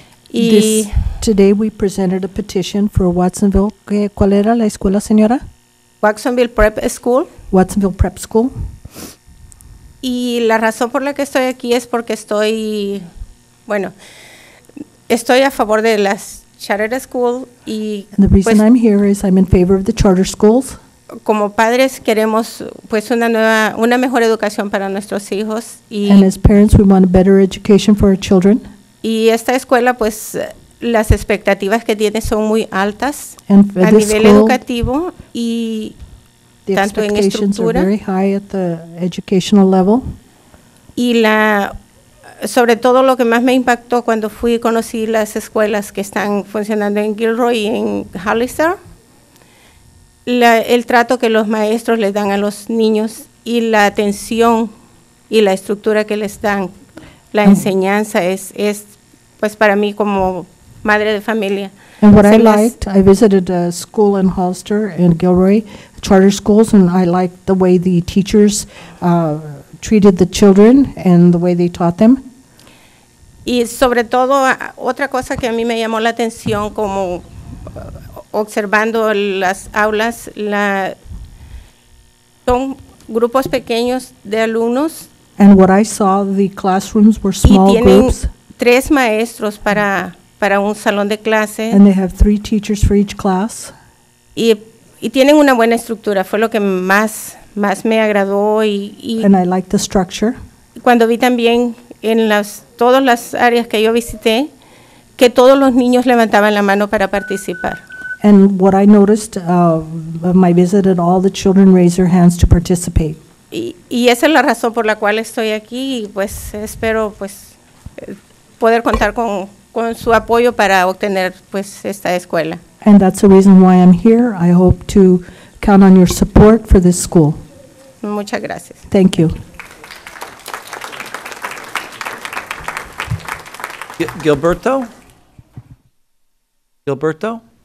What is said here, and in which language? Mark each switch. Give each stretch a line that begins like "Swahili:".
English: Today we presented a petition for Watsonville.
Spanish: ¿Cuál era la escuela, señora?
English: Watsonville Prep School. Watsonville Prep School.
Spanish: Y la razón por la que estoy aquí es porque estoy, bueno, estoy a favor de las charter schools y.
English: And the reason I'm here is I'm in favor of the charter schools.
Spanish: Como padres queremos pues una mejor educación para nuestros hijos y.
English: And as parents, we want a better education for our children.
Spanish: Y esta escuela pues las expectativas que tiene son muy altas a nivel
English: school,
Spanish: educativo y tanto en estructura
English: very high at the educational level.
Spanish: Y la sobre todo lo que más me impactó cuando fui y conocí las escuelas que están funcionando en Gilroy y en Hollister el trato que los maestros les dan a los niños y la atención y la estructura que les dan la enseñanza es pues para mí como madre de familia.
English: And what I liked, I visited a school in Hollister and Gilroy, charter schools, and I liked the way the teachers treated the children and the way they taught them.
Spanish: Y sobre todo, otra cosa que a mí me llamó la atención como observando las aulas, son grupos pequeños de alumnos.
English: And what I saw, the classrooms were small groups.
Spanish: Y tienen tres maestros para un salón de clase.
English: And they have three teachers for each class.
Spanish: Y tienen una buena estructura. Fue lo que más me agradó.
English: And I like the structure.
Spanish: Cuando vi también en todas las áreas que yo visité, que todos los niños levantaban la mano para participar.
English: And what I noticed my visit, that all the children raised their hands to participate.
Spanish: Y esa es la razón por la cual estoy aquí y pues espero pues poder contar con su apoyo para obtener pues esta escuela.
English: And that's the reason why I'm here. I hope to count on your support for this school.
Spanish: Muchas gracias.
English: Thank you. Gilberto? Gilberto?